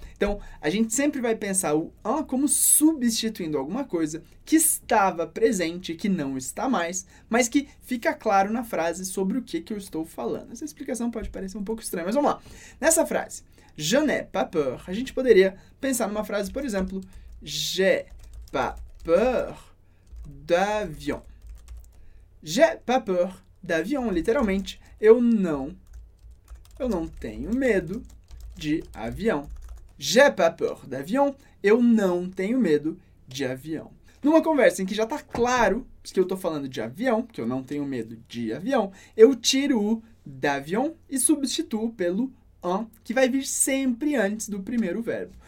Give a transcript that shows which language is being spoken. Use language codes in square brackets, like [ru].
[pt] Então, a gente sempre vai pensar o en como substituindo alguma coisa que estava presente, que não está mais, mas que fica claro na frase sobre o que, que eu estou falando. Essa explicação pode parecer um pouco estranha, mas vamos lá. Nessa frase, [fr] je n'ai pas peur, [pt] a gente poderia pensar numa frase, por exemplo, [fr] j'ai pas peur d'avion. J'ai pas peur d'avion, [pt] literalmente, eu não tenho medo de avião. [fr] J'ai pas peur d'avion. [pt] Eu não tenho medo de avião. Numa conversa em que já está claro que eu estou falando de avião, que eu não tenho medo de avião, eu tiro o d'avion e substituo pelo en, que vai vir sempre antes do primeiro verbo.